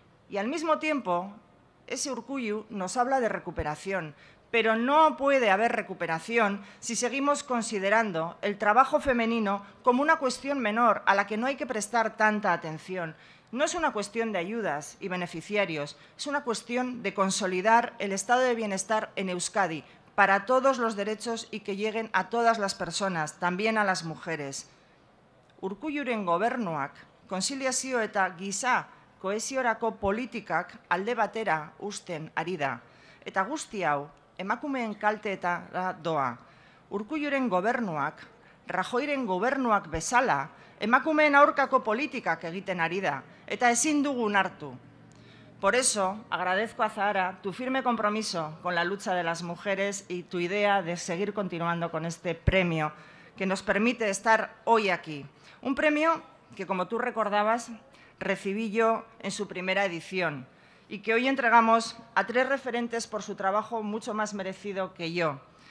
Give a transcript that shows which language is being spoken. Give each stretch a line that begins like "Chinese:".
Spanish: Y al mismo tiempo, ese Urkullu nos habla de recuperación, pero no puede haber recuperación si seguimos considerando el trabajo femenino como una cuestión menor a la que no hay que prestar tanta atención. No es una cuestión de ayudas y beneficiarios, es una cuestión de consolidar el estado de bienestar en Euskadi para todos los derechos y que lleguen a todas las personas, también a las mujeres.
Basque: Urkulluren gobernuak, konziliazio eta giza kohesiorako politikak alde batera uzten ari da. Eta guzti hau, emakumeen kalteetara doa. Urkulluren gobernuak, Rajoyren gobernuak bezala, emakumeen aurkako politikak egiten ari da. Eta ezin dugu hartu.
Spanish: Por eso, agradezco a Zahara tu firme compromiso con la lucha de las mujeres y tu idea de seguir continuando con este premio que nos permite estar hoy aquí. Un premio que, como tú recordabas, recibí yo en su primera edición y que hoy entregamos a tres referentes por su trabajo mucho más merecido que yo.